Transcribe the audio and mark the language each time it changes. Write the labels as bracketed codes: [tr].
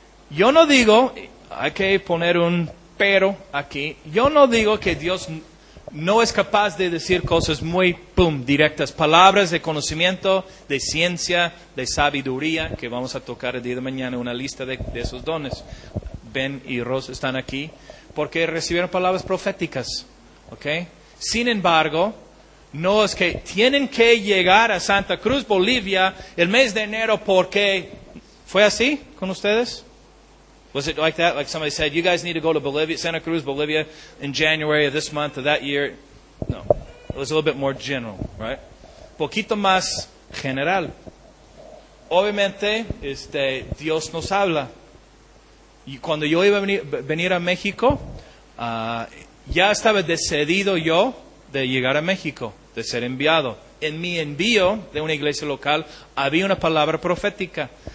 [es] Yo no digo, hay que poner un pero aquí, yo no digo que Dios no es capaz de decir cosas muy pum, directas, palabras de conocimiento, de ciencia, de sabiduría, que vamos a tocar el día de mañana una lista de esos dones. Ben y Ross están aquí porque recibieron palabras proféticas. ¿Okay? Sin embargo, no es que tienen que llegar a Santa Cruz, Bolivia, el mes de enero, porque ¿fue así con ustedes? [en] Was it like that? Like somebody said, you guys need to go to Bolivia, Santa Cruz, Bolivia, in January of this month, of that year. No. It was a little bit more general, right? [es] Poquito más general. Obviamente, Dios nos habla. Y cuando yo iba a venir a México, ya estaba decidido yo de llegar a México, de ser enviado. En mi envío de una iglesia local había una palabra profética.